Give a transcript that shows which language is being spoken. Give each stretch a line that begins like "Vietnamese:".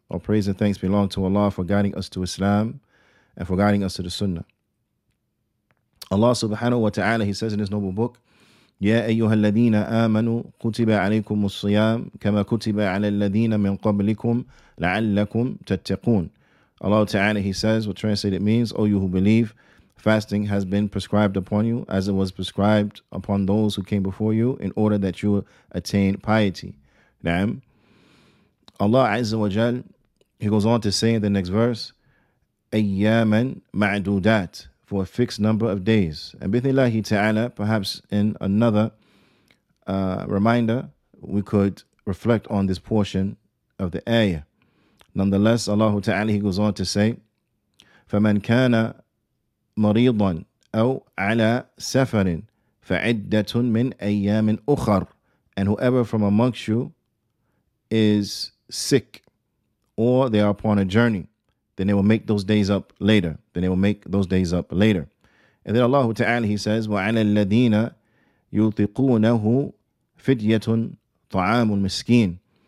English: All praise and thanks belong to Allah for guiding us to Islam and for guiding us to the sunnah. Allah subhanahu wa ta'ala, he says in his noble book,
Arabic: يَا أَيُّهَا الَّذِينَ آمَنُوا قُتِبَ عَلَيْكُمُ الصِّيَامُ كَمَا كُتِبَ عَلَى الَّذِينَ مِنْ قَبْلِكُمْ لَعَلَّكُمْ تَتَّقُونَ.
English: Allah Ta'ala, he says, what translated means, O you who believe, fasting has been prescribed upon you as it was prescribed upon those who came before you in order that you attain piety. Na'am. Allah Azza wa Jal, he goes on to say in the next verse,
Arabic: أَيَّامًا مَعْدُودَاتٍ,
English: for a fixed number of days. And bithnillahi ta'ala, perhaps in another reminder, we could reflect on this portion of the ayah. Nonetheless, Allah Ta'ala, he goes on to say,
Arabic: فَمَنْ كَانَ مَرِيضًا أَوْ عَلَى سَفَرٍ فَعِدَّةٌ مِنْ أَيَّامٍ أُخَرٍ.
English: And whoever from amongst you is sick or they are upon a journey, then they will make those days up later. Then they will make those days up later. And then Allah Ta'ala, he says,
Arabic: وَعَلَى الَّذِينَ يُطِقُونَهُ فِدْيَةٌ طَعَامٌ مِسْكِينٌ.